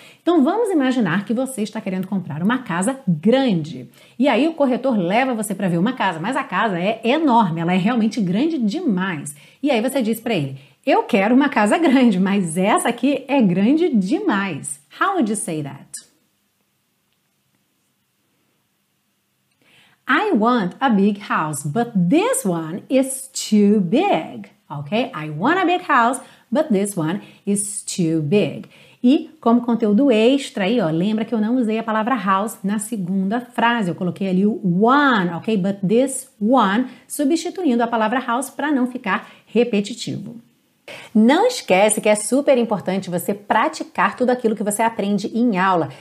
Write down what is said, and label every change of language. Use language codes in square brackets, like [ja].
[pt] Então, vamos imaginar que você está querendo comprar uma casa grande. E aí, o corretor leva você para ver uma casa, mas a casa é enorme, ela é realmente grande demais. E aí, você diz para ele, eu quero uma casa grande, mas essa aqui é grande demais. [en] How would you say that? I want a big house, but this one is too big. Okay? I want a big house, but this one is too big. [pt] E como conteúdo extra aí, ó, lembra que eu não usei a palavra house na segunda frase. Eu coloquei ali o one, ok? [en] But this one, [pt] substituindo a palavra house para não ficar repetitivo. Não esquece que é super importante você praticar tudo aquilo que você aprende em aula.